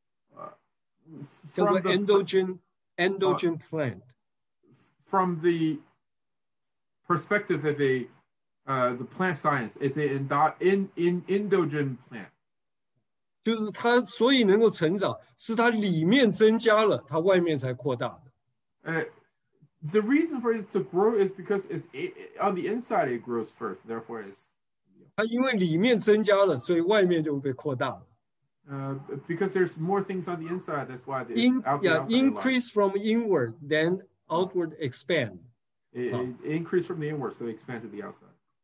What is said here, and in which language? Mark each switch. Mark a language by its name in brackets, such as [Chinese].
[Chinese] 为什么呢？因为他们从植物学的这个角度来看呢，它是一种的内生的植物，叫做 endogen. [English] Endogen plant. From the perspective of the plant science, is it an endogen plant? [Chinese] 就是它所以能够成长，是它里面增加了，它外面才扩大的。 [English] The reason for it to grow is because it's on the inside it grows first, therefore it's. [Chinese] 它因为里面增加了，所以外面就会被扩大了。 [English] Because there's more things on the inside, that's why there's increase from inward, then outward expand. Increase from the inward, so expand to the outside.